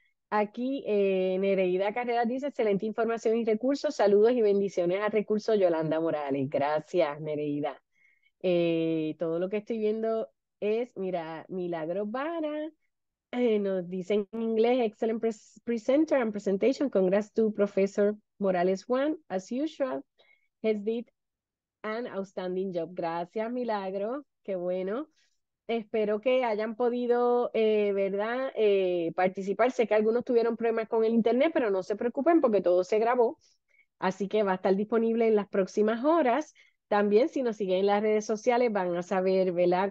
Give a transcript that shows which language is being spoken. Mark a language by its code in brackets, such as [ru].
[es] Aquí Nereida Carreras dice: excelente información y recursos. Saludos y bendiciones a recursos Yolanda Morales. Gracias, Nereida. Todo lo que estoy viendo es: mira, Milagros Vara nos dice en inglés: [en] excellent presenter and presentation. Congrats to Professor Morales Juan, as usual. Has did an outstanding job. [es] Gracias, Milagro. Qué bueno. Espero que hayan podido, ¿verdad? Participar. Sé que algunos tuvieron problemas con el internet, pero no se preocupen porque todo se grabó. Así que va a estar disponible en las próximas horas. También, si nos siguen en las redes sociales, van a saber, ¿verdad?